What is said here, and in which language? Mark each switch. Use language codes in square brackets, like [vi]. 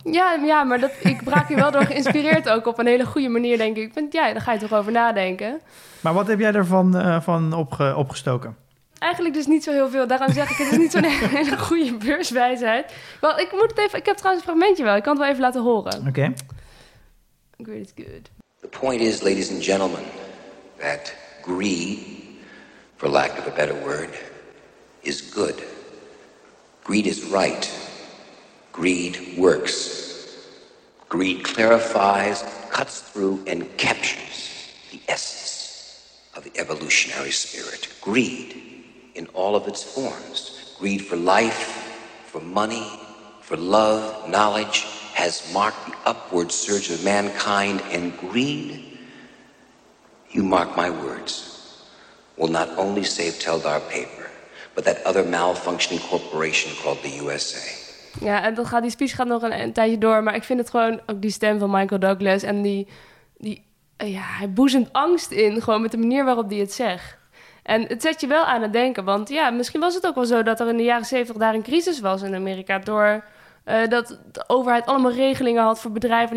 [nl] Ja, maar ik raak je wel door geïnspireerd ook op een hele goede manier, denk ik. Daar ga je toch over nadenken. Maar wat heb jij ervan opgestoken? Eigenlijk dus niet zo heel veel. Daarom zeg ik, het is niet zo'n hele goede beurswijsheid. Wel, ik moet het even. Ik heb trouwens een fragmentje wel. Ik kan het wel even laten horen. Oké. [en] Greed is good. The point is, ladies and gentlemen, that greed, for lack of a better word, is good. Greed is right. Greed works. Greed clarifies, cuts through, and captures the essence of the evolutionary spirit. Greed, in all of its forms, greed for life, for money, for love, knowledge, has marked the upward surge of mankind, and greed, you mark my words, will not only save Teldar Paper, but that other malfunctioning corporation called the USA. [nl] Ja, en dan gaat die speech gaat nog een tijdje door. Maar ik vind het gewoon ook die stem van Michael Douglas. En hij boezemt angst in, gewoon met de manier waarop hij het zegt. En het zet je wel aan het denken. Want ja, misschien was het ook wel zo dat er in de jaren 70 daar een crisis was in Amerika. Door dat de overheid allemaal regelingen had voor bedrijven.